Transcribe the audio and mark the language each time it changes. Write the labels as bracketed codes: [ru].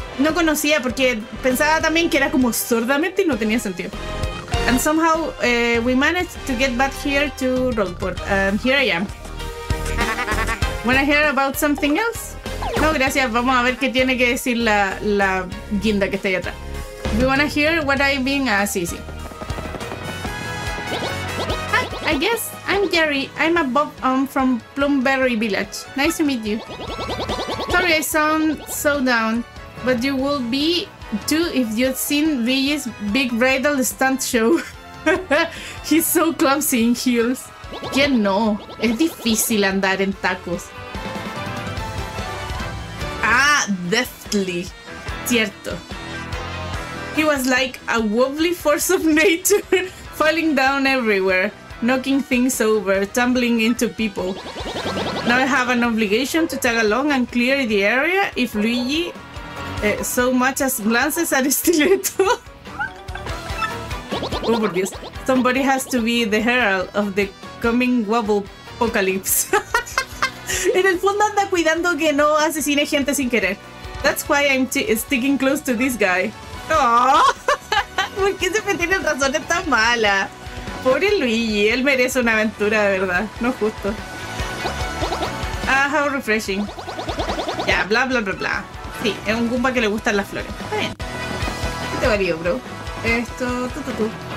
[es] No conocía porque pensaba también que era como sordamente y no tenía sentido. [en] And somehow we managed to get back here to Rockport. And here I am. Wanna hear about something else? [es] No, gracias. Vamos a ver qué tiene que decir la guinda que está ahí atrás. [en] Do you wanna hear what I've been Sisi? Hi, I guess I'm Jerry. I'm a Bob from Plumberry Village. Nice to meet you. Sorry I sound so down, but you will be too if you'd seen Luigi's big bridal stunt show. He's so clumsy in heels. Yeah, no. [es] Es difícil andar en tacos. [en] Ah, deftly. [es] Cierto. [en] He was like a wobbly force of nature, falling down everywhere, knocking things over, tumbling into people. Now I have an obligation to tag along and clear the area if Luigi so much as glances at Stiletto. [es] Oh, por Dios. [en] Somebody has to be the herald of the coming wobble apocalypse. [es] En el fondo anda cuidando que no asesine gente sin querer. [en] That's why I'm sticking close to this guy. [es] Oh, ¿por qué siempre tienen razones tan malas? Pobre Luigi, él merece una aventura de verdad, no justo. [en] how refreshing. [es] Ya, bla, bla, bla, bla. Sí, es un Goomba que le gustan las flores. Está bien. ¿Qué te valió, bro? Esto, tú.